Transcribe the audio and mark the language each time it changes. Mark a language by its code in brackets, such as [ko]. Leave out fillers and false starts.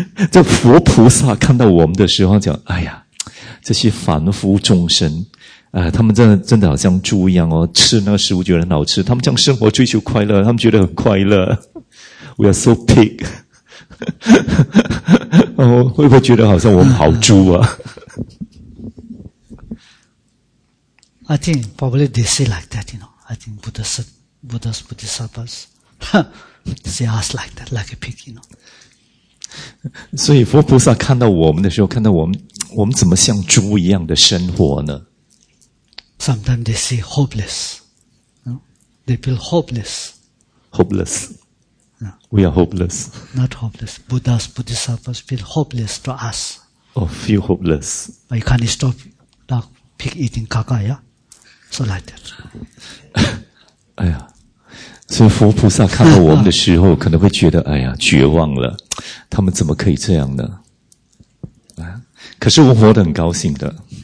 [zh] 这佛菩萨看到我们的时候讲，哎呀，这些凡夫众生，他们真的好像猪一样哦，吃那个食物觉得很好吃，他们这样生活追求快乐，他们觉得很快乐。 [en] We are so pig。 [zh] 哦，会不会觉得好像我们好猪啊 [en] ？I think probably they say like that, you know. I think Buddhas, Bodhisattvas see us like that, like a pig, you know. [zh] 所以佛菩萨看到我们的时候，看到我们怎么像猪一样的生活呢 [en] ？Sometimes they say hopeless, you know? They feel hopeless. Hopeless. We are hopeless. Not hopeless. Buddhas, Bodhisattvas feel hopeless to us. Oh, feel hopeless. But you can't stop the pig eating caca, yeah? So like that. [zh] 哎呀，所以佛菩萨看到我们的时候，可能会觉得，哎呀，绝望了。他们怎么可以这样呢？啊，可是我活得很高兴的。